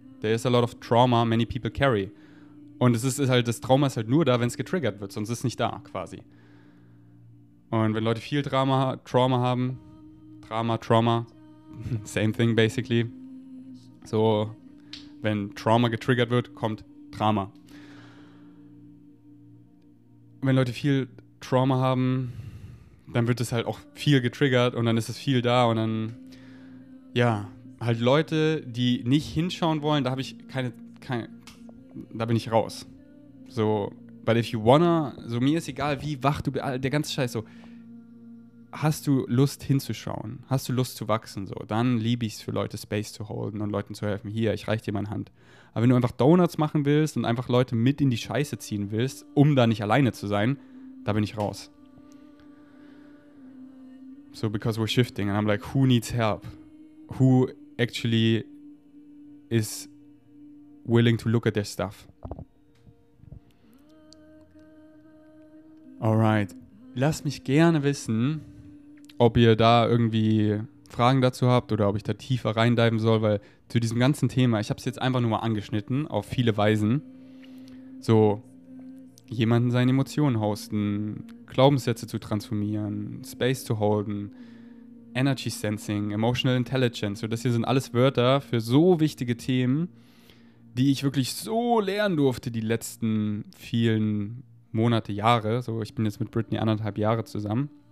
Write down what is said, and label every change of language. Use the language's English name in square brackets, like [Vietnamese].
[English] There is a lot of trauma many people carry. [German] Und es ist halt, das Trauma ist halt nur da, wenn es getriggert wird, sonst ist es nicht da, quasi. Und wenn Leute viel Trauma haben, [English] same thing basically. [German] So, wenn Trauma getriggert wird, kommt Drama. Wenn Leute viel Trauma haben, dann wird es halt auch viel getriggert und dann ist es viel da und dann, ja, halt Leute, die nicht hinschauen wollen, da habe ich keine, da bin ich raus. So, [English] but if you wanna, [German] so mir ist egal, wie wach du bist, der ganze Scheiß, so, hast du Lust hinzuschauen, hast du Lust zu wachsen, so, dann liebe ich es für Leute Space zu holden und Leuten zu helfen, hier, ich reiche dir meine Hand. Aber wenn du einfach Donuts machen willst und einfach Leute mit in die Scheiße ziehen willst, um da nicht alleine zu sein, da bin ich raus. [English] So, because we're shifting and I'm like, who needs help? Who actually is willing to look at their stuff? Alright. [German] Lass mich gerne wissen, ob ihr da irgendwie Fragen dazu habt oder ob ich da tiefer reindiven soll, weil zu diesem ganzen Thema, ich habe es jetzt einfach nur mal angeschnitten, auf viele Weisen, so jemanden seine Emotionen hosten, Glaubenssätze zu transformieren, Space zu holden, Energy Sensing, Emotional Intelligence, so, das hier sind alles Wörter für so wichtige Themen, die ich wirklich so lernen durfte die letzten vielen Monate, Jahre, so, ich bin jetzt mit Britney 1,5 Jahre zusammen.